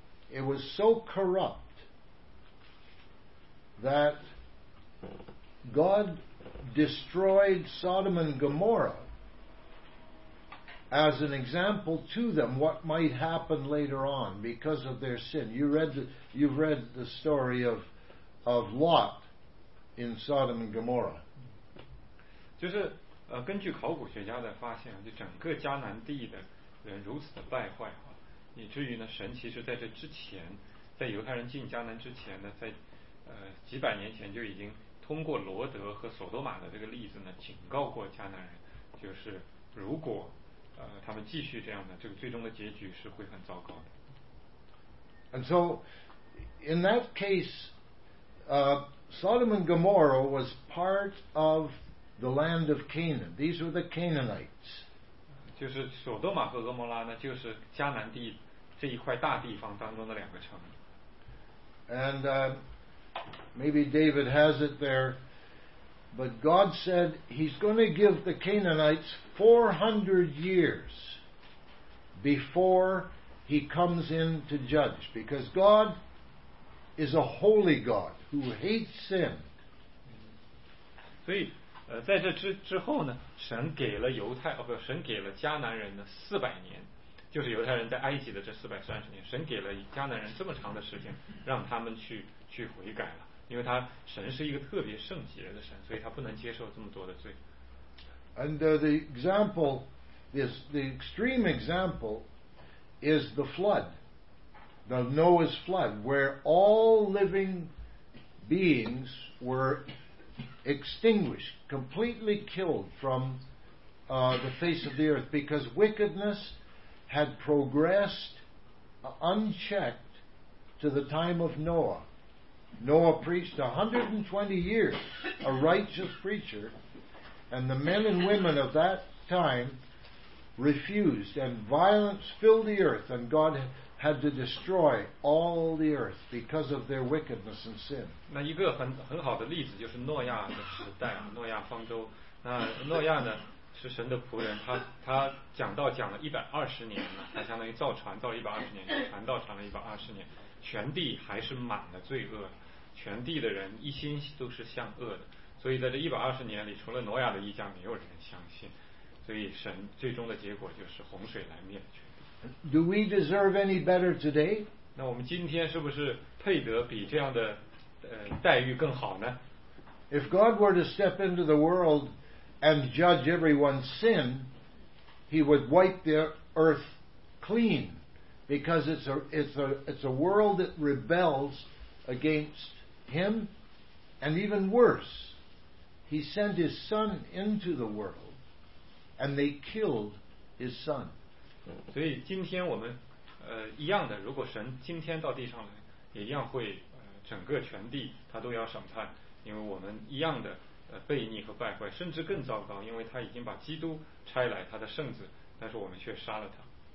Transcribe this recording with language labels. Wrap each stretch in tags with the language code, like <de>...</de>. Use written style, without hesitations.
<en>It was so corrupt that God... destroyed Sodom and Gomorrah as an example to them what might happen later on because of their sin. You've read the story of Lot in Sodom and Gomorrah.</en> <zh>就是根据考古学家的发现，就整个迦南地的人如此的败坏，以至于呢，神其实在这之前，在犹太人进迦南之前呢，在几百年前就已经通过罗德和索多玛的这个例子呢，警告过迦南人，就是如果他们继续这样的，这个最终的结局是会很糟糕的。</zh> <en>And so, in that case, Sodom and Gomorrah was part of the land of Canaan. These were the Canaanites.</en> <zh>就是索多玛和俄摩拉呢，就是迦南地这一块大地方当中的两个城。</zh> <en>And maybe David has it there, but God said He's going to give the Canaanites 400 years before He comes in to judge, because God is a holy God who hates sin.</en> <zh>所以，在这之后呢，神给了犹太哦不，神给了迦南人的四百年。就是犹太人在埃及的这430年，神给了迦南人这么长的时间让他们去悔改了，因为他神是一个特别圣洁的神，所以他不能接受这么多的罪。</zh> <en>And the example is, the extreme example is the flood, the Noah's flood, where all living beings were extinguished, completely killed from the face of the earth, because wickedness had progressed unchecked to the time of Noah. Noah preached 120 years, a righteous preacher, and the men and women of that time refused, and violence filled the earth, and God had to destroy all the earth because of their wickedness and sin.</en> <zh>那一个很好的例子就是诺亚的时代，诺亚方舟。那诺亚呢？是神的仆人，他讲道讲了120年了，他相当于造船造了120年，传道传了120年，全地还是满了罪恶，全地的人一心都是向恶的，所以在这120年里，除了挪亚的一家，没有人相信，所以神最终的结果就是洪水来灭全地。</zh> <en>Do we deserve any better today?</en> <zh>那我们今天是不是配得比这样的待遇更好呢？</zh> <en>If God were to step into the world and judge everyone's sin, he would wipe the earth clean, because it's a world that rebels against him. And even worse, he sent his son into the world, and they killed his son.</en> <zh>所以今天我们一样的，如果神今天到地上来，也一样会整个全地他都要审判，因为我们一样的悖逆和败坏，甚至更糟糕，因为他已经把基督差来，他的圣子，但是我们却杀了他。</zh>